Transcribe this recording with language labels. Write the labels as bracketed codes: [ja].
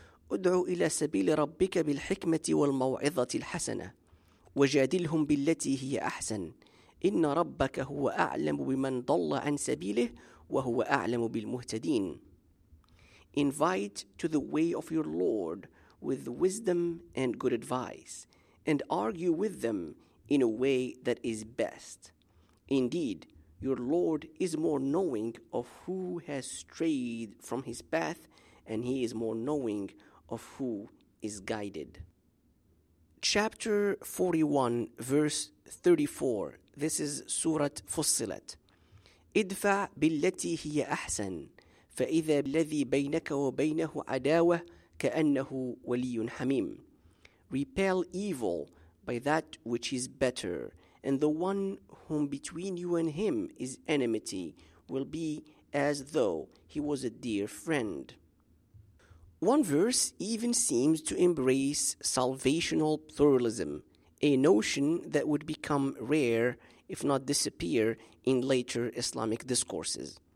[ar] ادعو إلى سبيل ربك بالحكمة والموعظة الحسنة وجادلهم بالتي هي أحسن إن ربك هو أعلم بمن ضل عن سبيله وهو أعلم بالمهتدين. [en] Invite to the way of your Lord with wisdom and good advice, and argue with them in a way that is best. Indeed, your Lord is more knowing of who has strayed from his path, and he is more knowing of who is guided. Chapter 41, verse 34. This is Surah Fussilat. [ar] ادفع بالتي هي أحسن فإذا الذي بينك وبينه عداوة كأنه ولي حميم. [en] repel evil by that which is better, and the one whom between you and him is enmity will be as though he was a dear friend. One verse even seems to embrace salvational pluralism, a notion that would become rare, if not disappear, in later Islamic discourses.